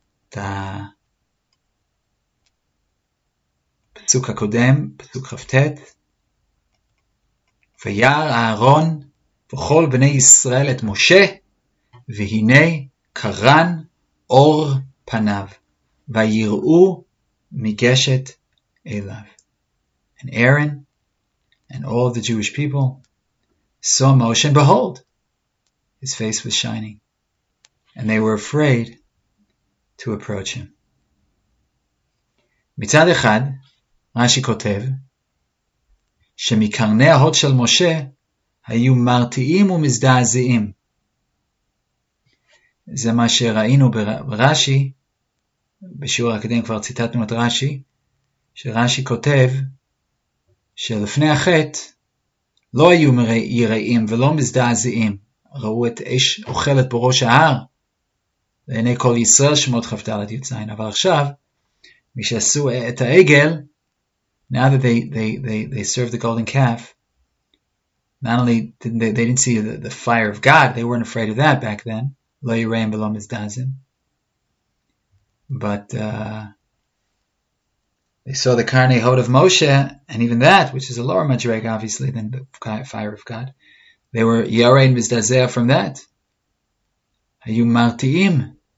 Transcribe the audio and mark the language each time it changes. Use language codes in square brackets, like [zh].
[he] Ta pasuk hakodem, pasuk chavtet, v'yar aharon, v'chol b'nei Yisrael et Moshe, והנה קרן אור פניו, ויראו מגשת אליו. [en] And Aaron and all of the Jewish people saw Moshe, and behold, his face was shining. And they were afraid to approach him. [he] מצד אחד, רש"י כותב, שמקרני ההוד של משה היו מרתיעים ומזדעזעים. זה מה שראינו ברש"י, בשיעור הקדים כבר ציטטנו את רש"י, שרש"י כותב שלפני החטא לא היו יראים ולא מזדעזעים, ראו את אש אוכלת בראש ההר, לעיני כל ישראל שמות חפתלת יוצאין, אבל עכשיו, מי שעשו את העגל, [en] now that they served the golden calf, not only didn't they didn't see the fire of God, they weren't afraid of that back then, [he] לא יראים ולא מזדעזעים. [en] They saw the carne hod of Moshe, and even that, which is a lower madrega, obviously, than the fire of God, they were yorein mizdazea from that. [he] Hayu marti'im.